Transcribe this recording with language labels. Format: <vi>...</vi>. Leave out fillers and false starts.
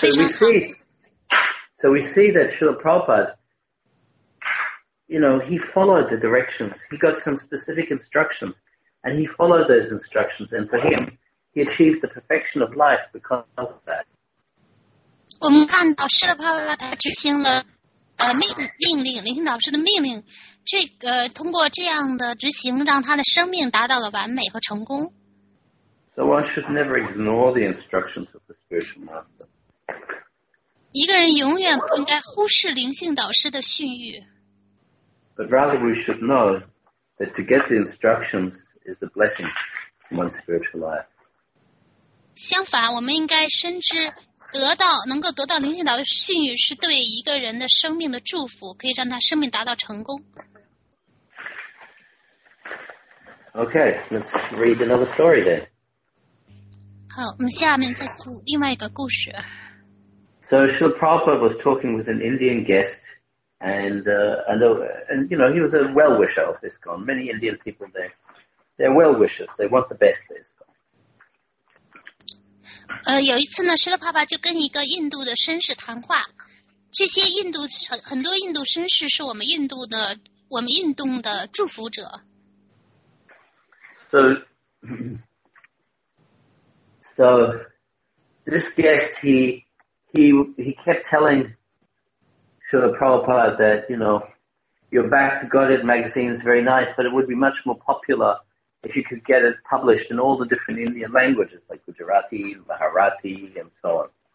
<en>So we see that Srila Prabhupada, you know, he followed the directions. He got some specific instructions. And he followed those instructions, and for him, he achieved the perfection of life because of that.</en> <zh>我们看到师的爸爸他执行了命令，聆听导师的命令，通过这样的执行，让他的生命达到了完美和成功。</zh> <en>So one should never ignore the instructions of the spiritual master.</en> <zh>一个人永远不应该忽视灵性导师的训谕。</zh> <en>But rather we should know that to get the instructions is the blessing in one's spiritual life.</en> <zh>相反，我们应该深知得到能够得到灵性导的信誉是对一个人的生命的祝福，可以让他生命达到成功。</zh> <en>Okay, let's read another story then.</en> <zh>好，我们下面再读另外一个故事。</zh> <en>So Srila Prabhupada was talking with an Indian guest, and you know, he was a well-wisher of ISKCON. Many Indian people there, they're well-wishers. They want the best for ISKCON.</en> <zh>有一次呢，Srila Prabhupada就跟一个印度的绅士谈话。这些印度很多印度绅士是我们印度的我们运动的祝福者。</zh> <en>So this guest, he kept telling Srila Prabhupada that, you know, your Back to Godhead magazine is very nice, but it would be much more popular if you could get it published in all the different Indian languages, like Gujarati, Maharati, and so on.</en>